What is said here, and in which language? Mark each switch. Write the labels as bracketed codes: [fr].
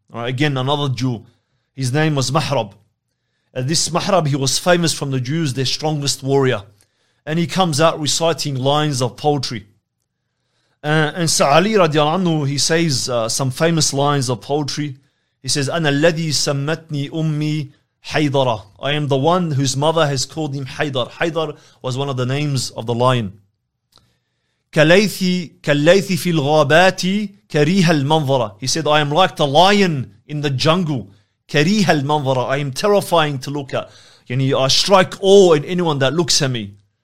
[en] All right, again, another Jew. His name was Mahrab. And this Mahrab, he was famous from the Jews, their strongest warrior. And he comes out reciting lines of poetry. And so Ali, radiallahu anhu, he says some famous lines of poetry. [ar] He says, أنا الذي سمتني أمي حيدرة. [en] I am the one whose mother has called him Haydar. Haydar was one of the names of the lion. [ar] كَلَيْثِ فِي الْغَابَاتِ كَرِيهَ الْمَنْظَرَ. [en] He said, I am like the lion in the jungle. [ar] كَرِيهَ الْمَنْظَرَ. [en] I am terrifying to look at. يعني, I strike awe in anyone that looks at me.